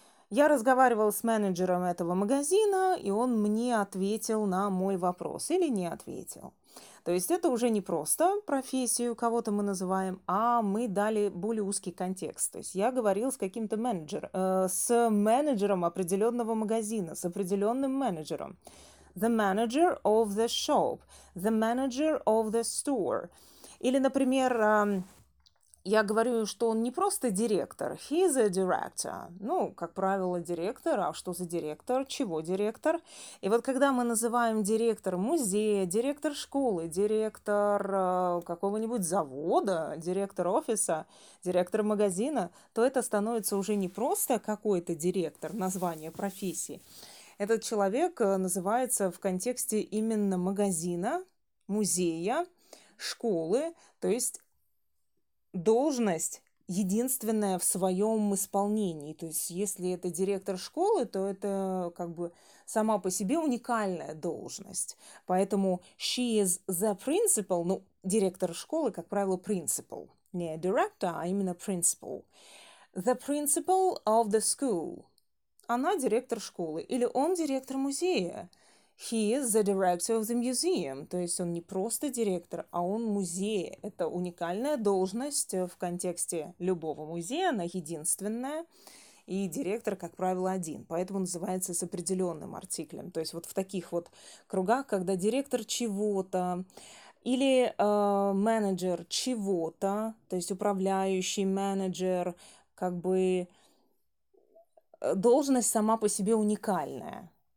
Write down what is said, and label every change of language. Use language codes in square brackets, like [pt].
[ru] Я разговаривал с менеджером этого магазина, и он мне ответил на мой вопрос или не ответил. То есть это уже не просто профессию кого-то мы называем, а мы дали более узкий контекст. То есть я говорил с каким-то менеджером, с менеджером определенного магазина, с определенным менеджером. [en] The manager of the shop, the manager of the store. [ru] Или, например, я говорю, что он не просто директор, [en] he is a director. [ru] Ну, как правило, директор, а что за директор, чего директор? И вот когда мы называем директор музея, директор школы, директор какого-нибудь завода, директор офиса, директор магазина, то это становится уже не просто какой-то директор, название профессии. Этот человек называется в контексте именно магазина, музея, школы, то есть должность единственная в своем исполнении. То есть, если это директор школы, то это как бы сама по себе уникальная должность. Поэтому [en] she is the principal, [ru] ну, директор школы, как правило, principal. Не director, а именно principal. [en] The principal of the school. [ru] Она директор школы. Или он директор музея. [en] He is the director of the museum. [ru] То есть он не просто директор, а он музея. Это уникальная должность в контексте любого музея. Она единственная. И директор, как правило, один. Поэтому называется с определенным артиклем. То есть вот в таких вот кругах, когда директор чего-то или менеджер чего-то, то есть управляющий менеджер, как бы должность сама по себе уникальная.